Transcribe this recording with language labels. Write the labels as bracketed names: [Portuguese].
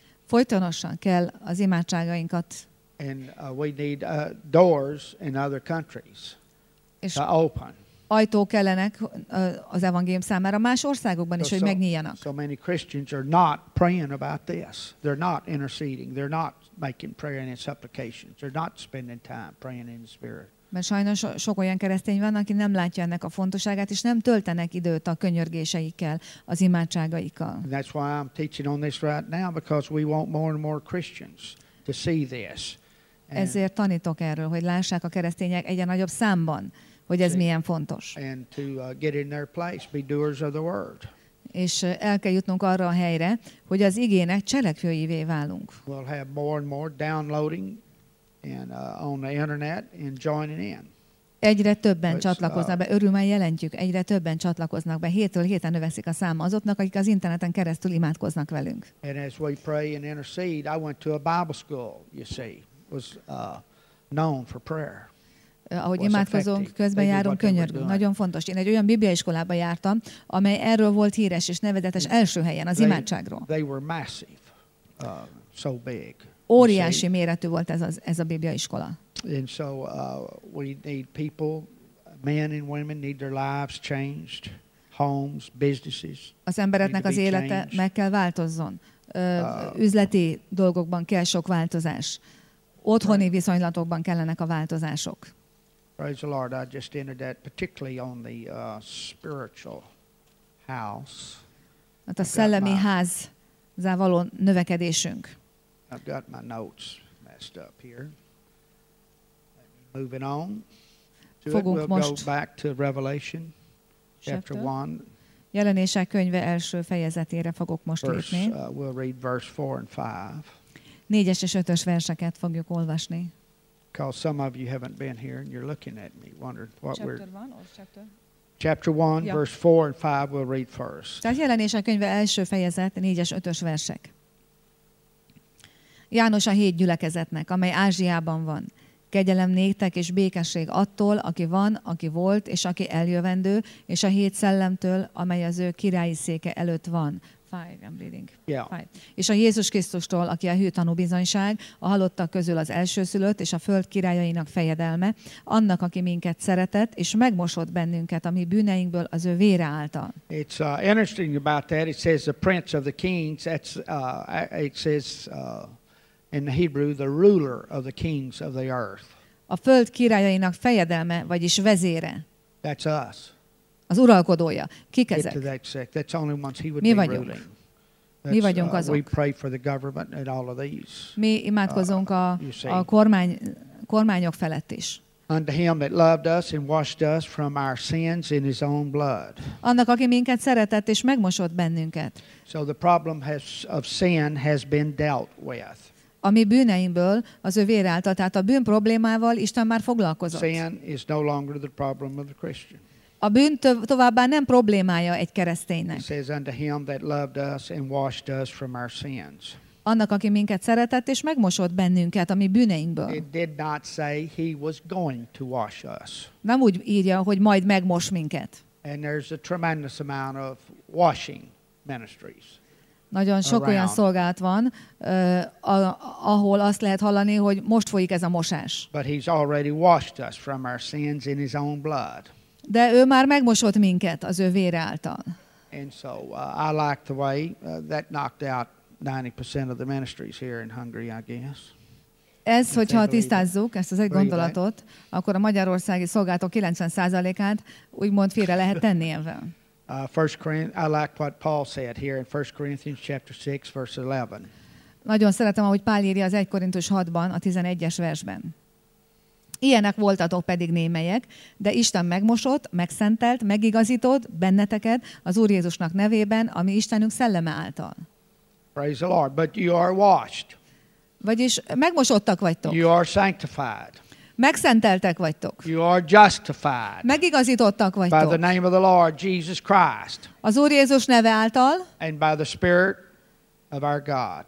[Hungarian] Folytonosan kell az imádságainkat. [English] And we need doors in other countries to open. [Hungarian] Ajtók kellenek az evangélium számára más országokban is, hogy megnyíljanak. [English] So many Christians are not praying about this. They're not interceding. They're not making prayer and supplications. They're not spending time praying in the Spirit. [Hungarian] Mert sajnos sok olyan keresztény van, aki nem látja ennek a fontosságát, és nem töltenek időt a könyörgéseikkel, az imádságaikkal. [English] That's why I'm teaching on this right now, because we want more and more Christians to see this. [Hungarian] Ezért tanítok erről, hogy lássák a keresztények egyre nagyobb számban, hogy ez milyen fontos. [English] And to get in their place, be doers of the word. [Hungarian] És el kell jutnunk arra a helyre, hogy az igének cselekvőivé válunk. [English] We'll have more and more downloading and on the internet and joining in. [Hungarian] Egyre többen csatlakoznak be, örülmel jelentjük, egyre többen csatlakoznak be, hétről héten növekszik a száma azoknak, akik az interneten keresztül imádkoznak velünk. [English] And as we pray and intercede, I went to a Bible school, you see, was known for prayer. [Hungarian] Ahogy imádkozunk, közben járunk, könyörgünk. Nagyon fontos. Én egy olyan bibliaiskolába jártam, amely erről volt híres és nevezetes első helyen az imádságról. [English] They were massive, so big. [Hungarian] Óriási méretű volt ez a bibliaiskola. [English] And so we need people, men and women need their lives changed, homes, businesses. [Hungarian] Az embereknek az élete meg kell változzon. Üzleti dolgokban kell sok változás. Otthoni viszonylatokban kellenek a változások. [English] Praise the Lord, I just entered that particularly on the spiritual house. [Hungarian] Hát a szellemi házzá való növekedésünk. [English] I've got my notes messed up here. Let me move it on. [Hungarian] Fogunk [English] we'll [Hungarian] most [English] go back to Revelation chapter 1. [Hungarian] Jelenések könyve első fejezetére fogok most lépni. [English] We'll read verse 4 and 5. [Hungarian] 4-es és 5-ös verseket fogjuk olvasni. [English] Because some of you haven't been here and you're looking at me wondering what chapter we're... Chapter 1, yeah. Verse 4 and 5 we'll read first. [Hungarian] Tehát jelenések könyve első fejezet, 4-es, 5-ös versek. János a hét gyülekezetnek, amely Ázsiában van. Kegyelem néktek és békesség attól, aki van, aki volt és aki eljövendő, és a hét szellemtől, amely az ő királyi széke előtt van. [English] Five, I'm reading. Yeah. Five. [Hungarian] És a Jézus Krisztustól, aki a hűtanú bizonyság, a halottak közül az elsőszülött és a föld királyainak fejedelme, annak, aki minket szeretett és megmosott bennünket a mi bűneinkből az ő vére által. [English] It's interesting about that. It says the prince of the kings. It says in Hebrew the ruler of the kings of the earth. [Hungarian] A föld királyainak fejedelme, vagyis vezére. [English] That's us. [Hungarian] Az uralkodója. Kik ezek? [English] That's only ones he would [Hungarian] mi [English] be [Hungarian] vagyunk? [English] Ruling. [Hungarian] Mi vagyunk azok. [English] We pray for the government and all of these. [Hungarian] Mi imádkozunk a kormányok felett is. [English] Unto him that loved us and washed us from our sins in his own blood. [Hungarian] Annak, aki minket szeretett és megmosott bennünket. [English] So the problem has, of sin has been dealt with. [Hungarian] A mi bűneimből, az ő vér által, tehát a bűn problémával Isten már foglalkozott. [English] Sin is no longer the problem of the Christian. [Hungarian] A bűn továbbá nem problémája egy kereszténynek. [English] He says unto him that loved us and washed us from our sins. [Hungarian] Annak, aki minket szeretett és megmosott bennünket a mi bűneinkből. [English] It did not say he was going to wash us. [Hungarian] Nem úgy írja, hogy majd megmos minket. [English] And there's a tremendous amount of washing ministries. [Hungarian] Nagyon sok [English] around. [Hungarian] Olyan szolgálat van, ahol azt lehet hallani, hogy most folyik ez a mosás. [English] But he's already washed us from our sins in his own blood. [Hungarian] De ő már megmosott minket az ő vére által. [English] And so I like the way that knocked out 90% of the ministries here in Hungary, I guess. [Hungarian] Ez, hogyha tisztázzuk ezt az egy gondolatot, akkor a magyarországi szolgálatok 90%-át úgymond félre lehet tenni ebben. [English] I like what Paul said here in 1 Corinthians chapter 6 verse 11. [Hungarian] Nagyon szeretem, ahogy Pál írja az 1 Korintus 6-ban, a 11-es versben. Ilyenek voltatok pedig némelyek, de Isten megmosott, megszentelt, megigazított benneteket az Úr Jézusnak nevében, ami Istenünk szelleme által. [English] Praise the Lord, but you are washed. [Hungarian] Vagyis megmosottak vagytok. [English] You are sanctified. [Hungarian] Megszenteltek vagytok. [English] You are justified. [Hungarian] Megigazítottak vagytok. [English] By the name of the Lord Jesus Christ. [Hungarian] Az Úr Jézus neve által. [English] And by the Spirit of our God.